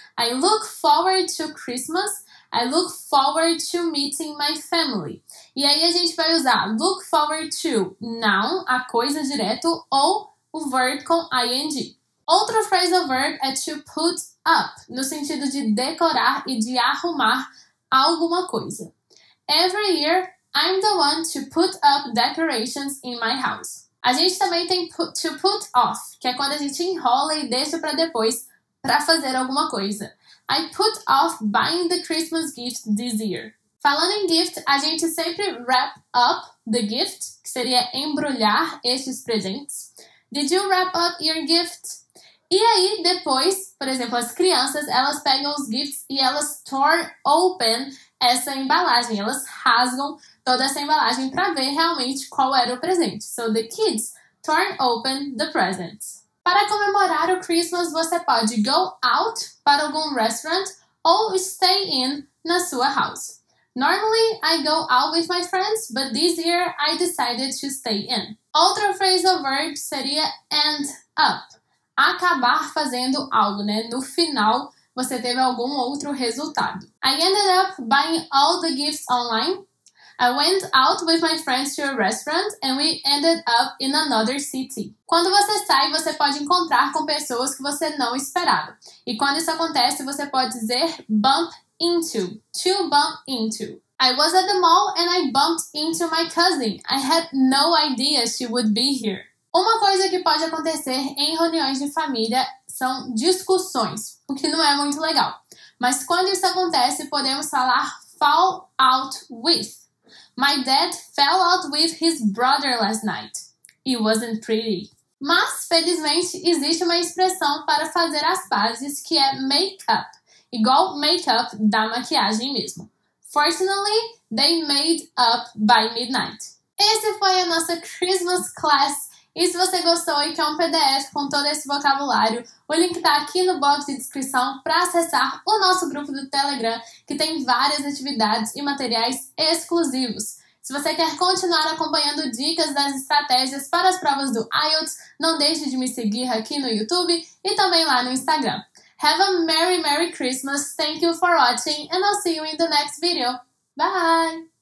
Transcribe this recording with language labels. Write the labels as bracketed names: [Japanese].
[English] I look forward to Christmas. I look forward to meeting my family. [Portuguese] E aí a gente vai usar look forward to, noun, a coisa direto, ou o verb com ing. Outro phrasal verb é to put up, no sentido de decorar e de arrumar alguma coisa. [English] Every year, I'm the one to put up decorations in my house. [Portuguese] A gente também tem to put off, que é quando a gente enrola e deixa para depois para fazer alguma coisa. [English] I put off buying the Christmas gift this year. [Portuguese] Falando em gift, a gente sempre wrap up the gift, que seria embrulhar esses presentes. [English] Did you wrap up your gift? [Portuguese] E aí, depois, por exemplo, as crianças, elas pegam os gifts e elas torn open essa embalagem. Elas rasgam toda essa embalagem para ver realmente qual era o presente. [English] So the kids torn open the presents. [Portuguese] Para comemorar o Christmas, você pode go out para algum restaurant ou stay in na sua house. [English] Normally, I go out with my friends, but this year I decided to stay in. [Portuguese] Outra phrasal verb seria end up. Acabar fazendo algo, né? No final, você teve algum outro resultado. [English] I ended up buying all the gifts online. I went out with my friends to a restaurant and we ended up in another city. [Portuguese] Quando você sai, você pode encontrar com pessoas que você não esperava. E quando isso acontece, você pode dizer bump into, to bump into. [English] I was at the mall and I bumped into my cousin. I had no idea she would be here. [Portuguese] Uma coisa que pode acontecer em reuniões de família são discussões, o que não é muito legal. Mas quando isso acontece, podemos falar fall out with. [English] My dad fell out with his brother last night. It wasn't pretty. [Portuguese] Mas, felizmente, existe uma expressão para fazer as pazes que é make up. Igual makeup da maquiagem mesmo. [English] Fortunately, they made up by midnight. [Portuguese] Esse foi a nossa Christmas class. E se você gostou e quer um PDF com todo esse vocabulário, o link está aqui no box de descrição para acessar o nosso grupo do Telegram, que tem várias atividades e materiais exclusivos. Se você quer continuar acompanhando dicas das estratégias para as provas do IELTS, não deixe de me seguir aqui no YouTube e também lá no Instagram. [English] Have a Merry, Merry Christmas. Thank you for watching and I'll see you in the next video. Bye!